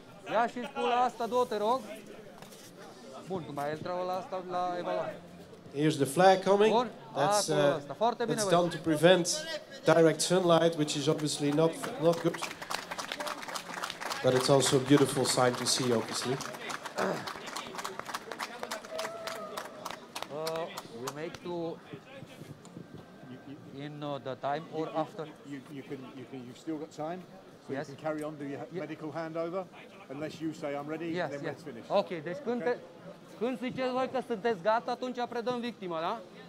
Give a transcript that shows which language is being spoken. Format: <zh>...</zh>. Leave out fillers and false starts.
<ro>Ia și pula asta, două, te rog. Bun, tu mai intră la asta la evaluare.</ro> <en>Here's the flag coming. That's it's done to prevent direct sunlight, which is obviously not good. But it's also a beautiful sight to see, obviously. We make to in the time or after? You've still got time. So yes. You can carry on, do your medical handover, unless you say I'm ready, yes, then yes. Let's finish.</en> <ro>Okay, deci când, okay. Când ziceți voi că sunteți gata, atunci predăm victima, da?</ro>